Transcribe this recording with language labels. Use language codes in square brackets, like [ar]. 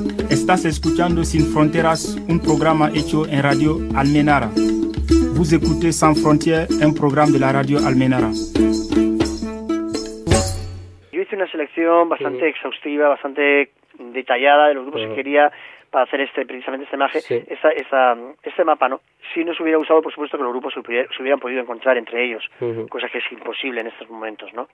[es] estás escuchando Sin Fronteras, un programa hecho en Radio Almenara. [fr] Vous écoutez Sans Frontières, un programme de la Radio Almenara. [es] Yo hice una selección bastante exhaustiva, bastante detallada de los grupos que quería para hacer precisamente este maje, este mapa, ¿no? Si nos hubiera gustado, por supuesto, que los grupos se hubieran podido encontrar entre ellos, cosa que es imposible en estos momentos, ¿no?